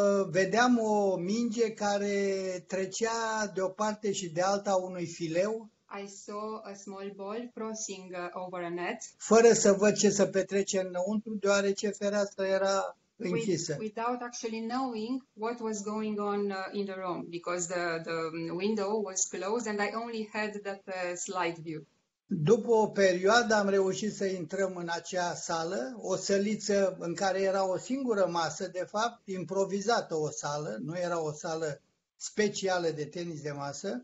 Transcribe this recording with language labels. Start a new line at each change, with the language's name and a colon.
Romanian: vedeam o minge care trecea de o parte și de alta unui fileu,
English: I saw a small ball crossing over a net,
Romanian: fără să văd ce se petrece înăuntru, deoarece fereastra era închisă.
English: Without actually knowing what was going on in the room, because the window was closed and I only had that slide view.
Romanian: După o perioadă am reușit să intrăm în acea sală, o săliță în care era o singură masă, de fapt, improvizată o sală, nu era o sală specială de tenis de masă.